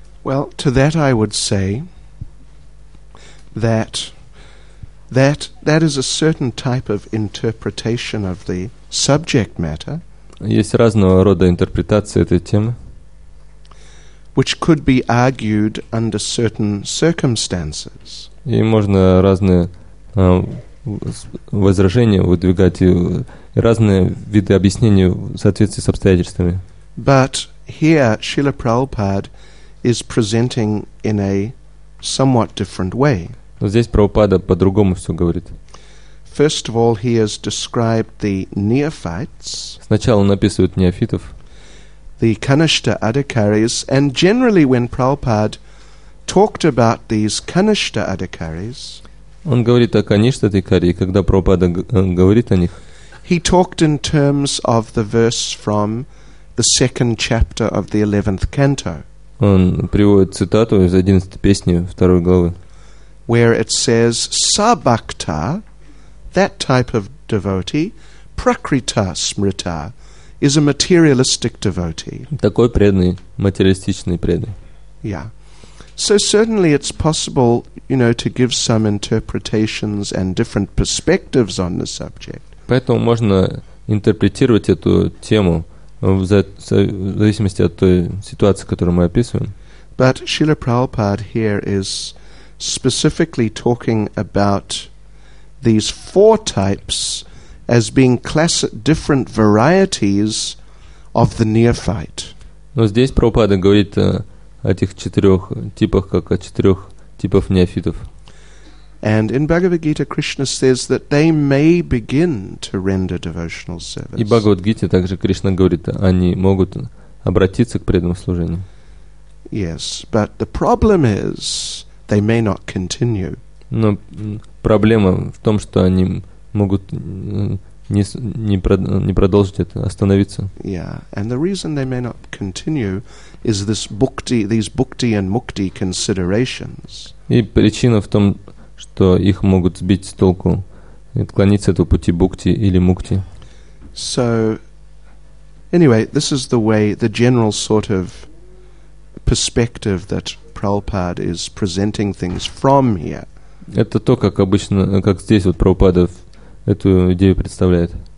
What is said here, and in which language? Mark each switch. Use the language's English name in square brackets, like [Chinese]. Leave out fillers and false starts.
[English] Well, to that I would say that is a certain type of interpretation of the subject matter. [Russian] Есть разного рода интерпретации этой темы, [English] which could be argued under certain circumstances. [Russian] И можно разные возражения выдвигать и разные виды объяснений в соответствии с обстоятельствами. [English] But here Srila Prabhupada is presenting in a somewhat different way. [Russian] Но здесь Прабхупада по-другому все говорит. [English] First of all, he has described the neophytes. [Russian] Сначала он описывает неофитов. [English] the Kanishta Adhikaris, and generally when Prabhupada talked about these Kanishta Adhikaris, [Russian] он говорит о Kanishta Adhikari, когда Prabhupada говорит о них, [English] he talked in terms of the verse from the second chapter of the 11th canto. [Russian] Он приводит цитату из 11 песни 2 главы, [English] where it says Sabhakta, that type of devotee, Prakrita Smrita, is a materialistic devotee. [Russian] Такой преданный, материалистичный преданный. [English] Yeah. So certainly it's possible, you know, to give some interpretations and different perspectives on the subject. [Russian] Поэтому можно интерпретировать эту тему в зависимости от той ситуации, которую мы описываем. [English] But Srila Prabhupada here is specifically talking about these four types as being classic different varieties of the neophyte. [Russian] Но здесь Прабхупада говорит о этих четырех типах, как о четырех типах неофитов. [English] And in Bhagavad Gita, Krishna says that they may begin to render devotional service. [Russian] И Бхагавад Гите также Кришна говорит, они могут обратиться к преданному служению. [English] Yes, but the problem is they may not continue. [Russian] Но проблема в том, что они могут не продолжить это, остановиться. [English] Yeah, and the reason they may not continue is this bhukti, these bhukti and mukti considerations. [Russian] И причина в том, что их могут сбить с толку, отклониться от пути бхукти или мукти. [English] So, anyway, this is the way, the general sort of perspective that Prabhupada is presenting things from here. [Russian] Это то, как обычно, как здесь вот Прабхупада эту идею представляет.